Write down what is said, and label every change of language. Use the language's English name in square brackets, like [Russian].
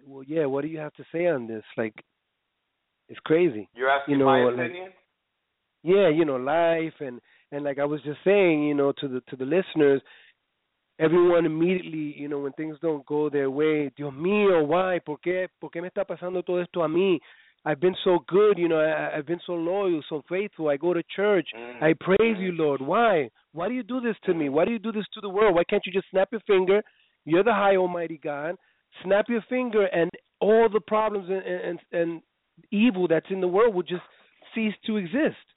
[English] Well, yeah, what do you have to say on this? Like, it's crazy. You're asking you know, my opinion? Like, yeah, you know, life. And like I was just saying, you know, to the listeners, everyone immediately, you know, when things don't go their way, [Spanish] Dios mío, [English] why? [Spanish] ¿Por qué me está pasando todo esto a mí? [English] I've been so good, you know, I've been so loyal, so faithful. I go to church. I praise you, Lord. Why? Why do you do this to me? Why do you do this to the world? Why can't you just snap your finger? You're the high almighty God. Snap your finger and all the problems and evil that's in the world will just cease to exist.